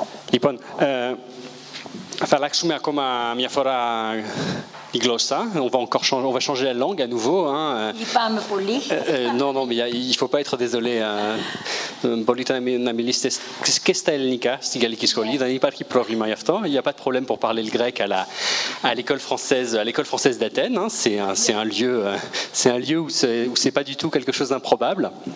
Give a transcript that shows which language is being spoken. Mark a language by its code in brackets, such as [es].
[el] Λοιπόν, θα αλλάξουμε ακόμα μια φορά η γλώσσα. [fr] On va changer la langue à nouveau. Hein. [el] Είπαμε πολύ. [fr] Non, mais il ne faut pas être désolé. [el] Πολύ να μιλήσετε και στα ελληνικά στην γαλλική σχολή. Δεν υπάρχει πρόβλημα γι' αυτό. [fr] Il n'y a pas de problème pour parler le grec à l'école française d'Athènes. Hein. C'est un lieu où c'est pas du tout quelque chose d'improbable.